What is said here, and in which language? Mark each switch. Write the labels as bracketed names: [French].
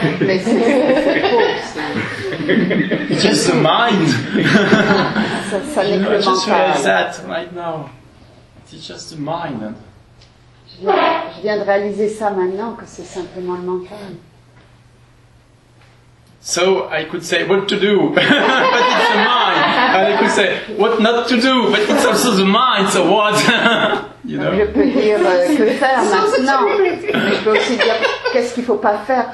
[French] Mais c'est faux. [English] It's just the mind. [French] Ça n'est que le mental. [English] I just realized that right now. It's just the mind. [French] Je viens de réaliser ça maintenant, que c'est simplement le mental. [English] So I could say what to do, but it's the mind. And I could say what not to do, but it's also the mind. So what? You know. [French] Je peux dire que faire maintenant, mais je peux aussi dire qu'est-ce qu'il faut pas faire.